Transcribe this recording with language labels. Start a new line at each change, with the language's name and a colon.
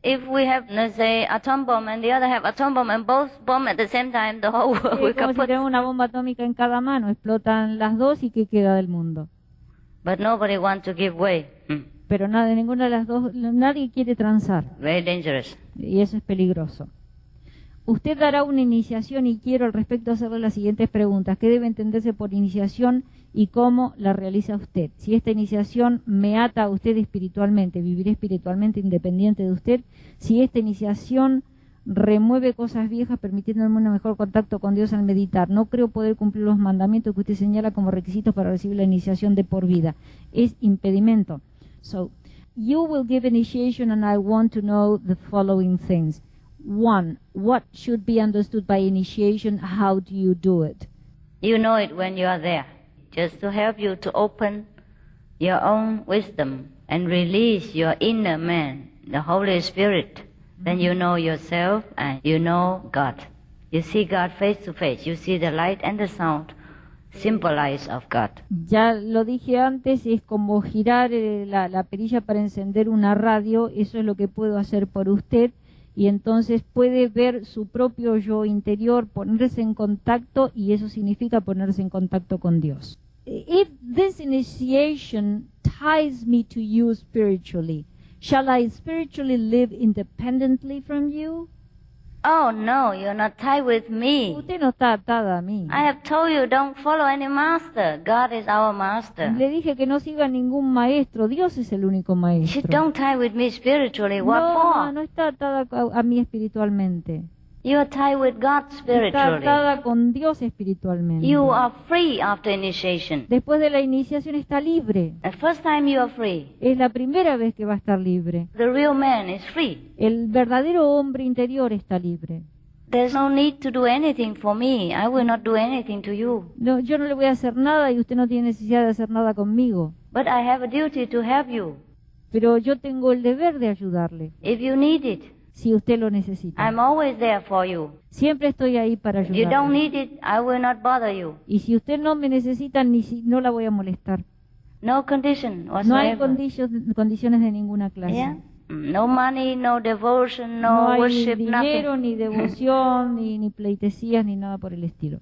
English: If we have, let's say, atom bomb and the other have atom bomb and both bomb at the same time, the whole world will
Spanish: kaput. Es como si tenemos una bomba atómica en cada mano, explotan las dos y qué queda del mundo.
English: But nobody wants to give way.
Spanish: Pero ninguna de las dos, nadie quiere transar.
English: Very dangerous.
Spanish: Y eso es peligroso. Usted dará una iniciación y quiero al respecto hacerle las siguientes preguntas. ¿Qué debe entenderse por iniciación y cómo la realiza usted? Si esta iniciación me ata a usted espiritualmente, viviré espiritualmente independiente de usted. Si esta iniciación remueve cosas viejas permitiéndome un mejor contacto con Dios al meditar. No creo poder cumplir los mandamientos que usted señala como requisitos para recibir la iniciación de por vida. Es impedimento.
English: So, you will give initiation and I want to know the following things. One, what should be understood by initiation? How do you do it? You know it when you are there. Just to help you to open your own wisdom and release your inner man, the Holy Spirit, then you know yourself and you know God. You see God face to face. You see the light and the sound symbolized of God.
Spanish: Ya lo dije antes, es como girar la perilla para encender una radio. Eso es lo que puedo hacer por usted. Y entonces puede ver su propio yo interior, ponerse en contacto, y eso significa ponerse en contacto con Dios.
English: If this initiation ties me to you spiritually, shall I spiritually live independently from you? Oh no, you're not tied with me.
Spanish: Usted no está atada a mí.
English: I have told you don't follow any master. God is our master.
Spanish: Le dije que no siga ningún maestro. Dios es el único maestro.
English: You don't tie with me spiritually. What
Spanish: no,
English: for?
Spanish: No está atada a mí espiritualmente.
English: You are tied with God spiritually.
Spanish: Está atada con Dios espiritualmente.
English: You are free after initiation.
Spanish: Después de la iniciación está libre.
English: The first time you are free.
Spanish: Es la primera vez que va a estar libre.
English: The real man is free.
Spanish: El verdadero hombre interior está libre.
English: There's no need to do anything for me. I will not do anything to you.
Spanish: No, yo no le voy a hacer nada y usted no tiene necesidad de hacer nada conmigo.
English: But I have a duty to help you.
Spanish: Pero yo tengo el deber de ayudarle.
English: If you need it.
Spanish: Si usted lo necesita.
English: I'm always there for you.
Spanish: Siempre estoy ahí para ayudarle.
English: You don't need it, I will not bother you.
Spanish: Y si usted no me necesita, no la voy a molestar.
English: No condition whatsoever.
Spanish: No hay condiciones de ninguna clase.
English: Yeah. No money, no devotion, no worship, nothing.
Spanish: No hay dinero, ni devoción, ni pleitesías, ni nada por el estilo.